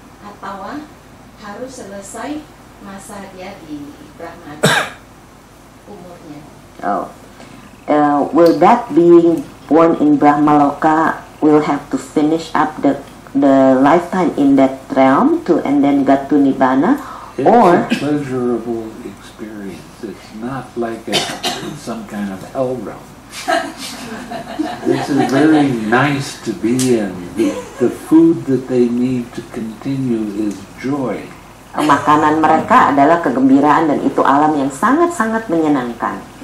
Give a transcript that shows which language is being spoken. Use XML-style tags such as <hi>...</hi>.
<id>atau harus selesai masa dia di Brahma umurnya.</id> <en>Oh, will that being born in Brahma Loka will have to finish up the lifetime in that realm to and then get to nibbana? It's or a pleasurable experience. It's not like some kind of hell realm. This is very nice to be in. The food that they need to continue is joy.</en> <id>Makanan mereka adalah kegembiraan dan itu alam yang sangat-sangat menyenangkan.</id>